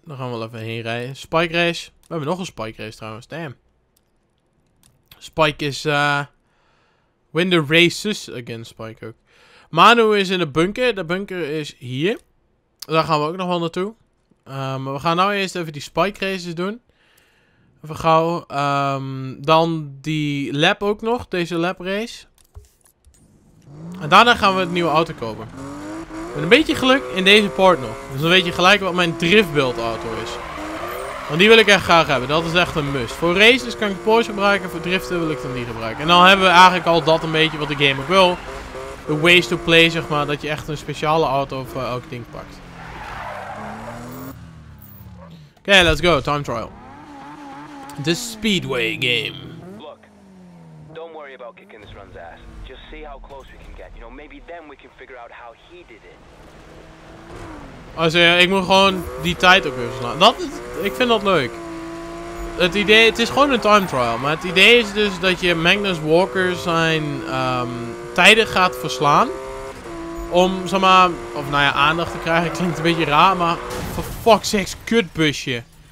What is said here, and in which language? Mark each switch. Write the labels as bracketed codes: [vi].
[nl] Dan gaan we wel even heen rijden. Spike race. We hebben nog een spike race trouwens. [en] Damn. Spike is... win the races against Spike ook. [nl] Manu is in de bunker. De bunker is hier. Daar gaan we ook nog wel naartoe. Maar we gaan nou eerst even die spike races doen. Even gauw. Dan die lap ook nog. Deze lap race. En daarna gaan we het nieuwe auto kopen. Met een beetje geluk in deze port nog. Dus dan weet je gelijk wat mijn driftbuild auto is. Want die wil ik echt graag hebben. Dat is echt een must. Voor races kan ik Porsche gebruiken. Voor driften wil ik dan niet gebruiken. En dan hebben we eigenlijk al dat een beetje wat de game ook wil. De [en] ways to play, [nl] zeg maar. Dat je echt een speciale auto voor elk ding pakt. [en] Oké, okay, let's go. Time trial. The Speedway game. Look, don't worry about kicking this run's ass. Just see how close we can get. You know, maybe then we can figure out how he did it. [nl] Also, ja, ik moet gewoon die tijd ook weer verslaan. Dat is, ik vind dat leuk. Het idee, het is gewoon een time trial. Maar het idee is dus dat je Magnus Walker zijn tijden gaat verslaan. Om, zeg maar, of nou ja, aandacht te krijgen. Klinkt een beetje raar, maar [en] for fuck's sake, [nl] kutbusje.